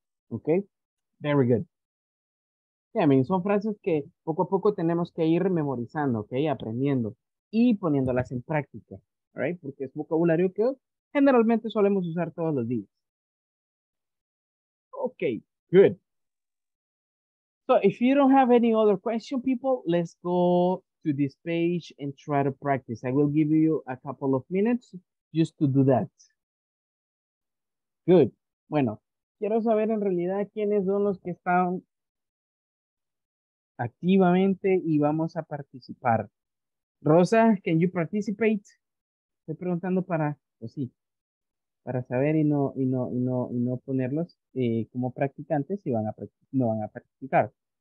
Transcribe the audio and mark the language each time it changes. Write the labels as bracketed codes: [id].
[en] Okay, very good. Yeah, I mean, [es] son frases que poco a poco tenemos que ir memorizando, okay, aprendiendo y poniéndolas en práctica, right? Porque es vocabulario que generalmente solemos usar todos los días. [en] Okay, good. So if you don't have any other question, people, let's go to this page and try to practice. I will give you a couple of minutes just to do that. Good. [es] Bueno, quiero saber en realidad quiénes son los que están activamente y vamos a participar. Rosa, [en] can you participate? [es] Estoy preguntando para, pues sí, para saber y no ponerlos como practicantes y no van a participar.